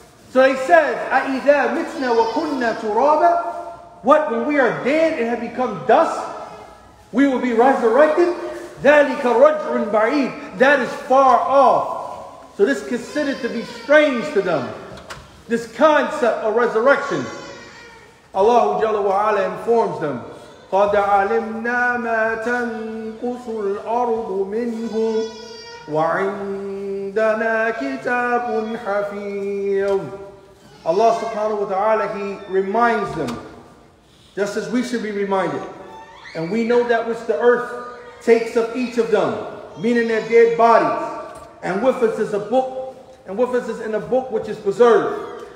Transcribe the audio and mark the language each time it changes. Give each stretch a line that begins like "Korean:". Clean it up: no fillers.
English: So He says,
Arabic: "A'idha mitna wa kunna turaba,"
English: what, when we are dead and have become dust, we will be resurrected?
Arabic: "Dhalika rajrun ba'id,"
English: that is far off. So this considered to be strange to them, this concept of resurrection. Allah Jalla wa Ala informs them,
Arabic: قَدْ عَلِمْنَا مَا تَنْقُصُ الْأَرْضُ مِنْهُمْ وَعِنْدَنَا كِتَابٌ حَفِيظٌ.
English: Allah subhanahu wa ta'ala, He reminds them, just as we should be reminded. And we know that which the earth takes of each of them, meaning their dead bodies. And with us is a book, and with us is in a book which is preserved.